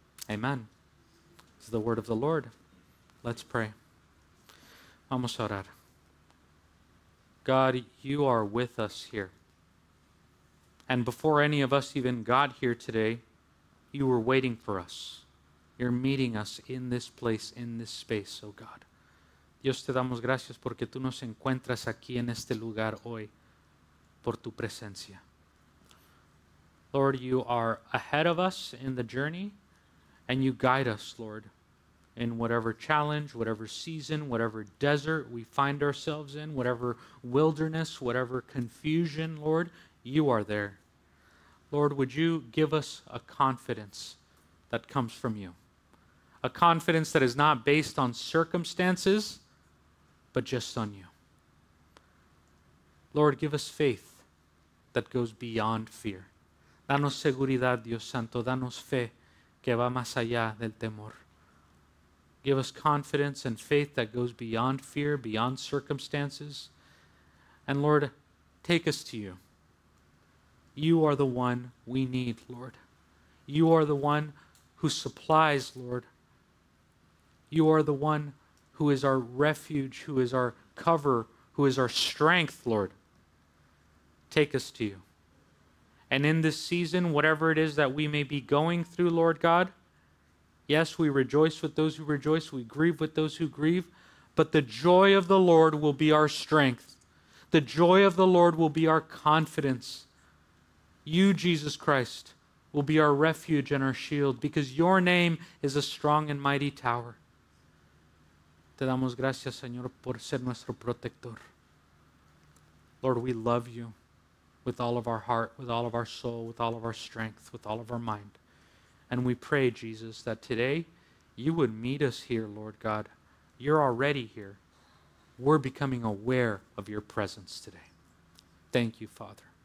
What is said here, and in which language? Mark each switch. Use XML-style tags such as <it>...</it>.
<en>Amen. This is the word of the Lord. Let's pray.</en> <es>Vamos a orar.</es> <en>God, you are with us here. And before any of us even got here today, you were waiting for us. You're meeting us in this place, in this space, oh God.</en> <es>Dios, te damos gracias porque tú nos encuentras aquí en este lugar hoy por tu presencia.</es> <en>Lord, you are ahead of us in the journey, and you guide us, Lord, in whatever challenge, whatever season, whatever desert we find ourselves in, whatever wilderness, whatever confusion, Lord, you are there. Lord, would you give us a confidence that comes from you? A confidence that is not based on circumstances, but just on you. Lord, give us faith that goes beyond fear.</en> <es>Danos seguridad, Dios Santo. Danos fe que va más allá del temor.</es> <en>Give us confidence and faith that goes beyond fear, beyond circumstances. And Lord, take us to you. You are the one we need, Lord. You are the one who supplies, Lord. You are the one who is our refuge, who is our cover, who is our strength, Lord. Take us to you. And in this season, whatever it is that we may be going through, Lord God, yes, we rejoice with those who rejoice, we grieve with those who grieve, but the joy of the Lord will be our strength. The joy of the Lord will be our confidence. You, Jesus Christ, will be our refuge and our shield because your name is a strong and mighty tower.</en> <es>Te damos gracias, Señor, por ser nuestro protector.</es> <en>Lord, we love you with all of our heart, with all of our soul, with all of our strength, with all of our mind. And we pray, Jesus, that today you would meet us here, Lord God. You're already here. We're becoming aware of your presence today. Thank you, Father.</en>